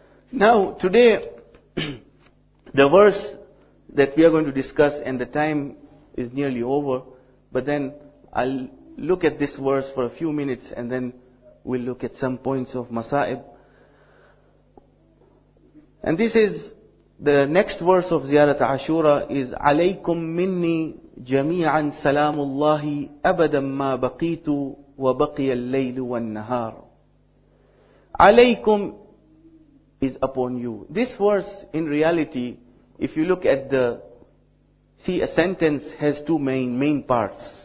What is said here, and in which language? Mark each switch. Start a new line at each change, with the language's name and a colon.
English: Now today, the verse that we are going to discuss, and the time is nearly over, but then I'll look at this verse for a few minutes and then we'll look at some points of Masa'ib. And this is the next verse of Ziyarat Ashura, is
Arabic: عَلَيْكُمْ مِنِّي جَمِيعًا سَلَامُ اللَّهِ أَبَدًا مَا بَقِيتُ وَبَقِيَ اللَّيْلُ وَالنَّهَارُ.
English: عَلَيْكُمْ is upon you. This verse, in reality, if you look at the see, a sentence has two main parts.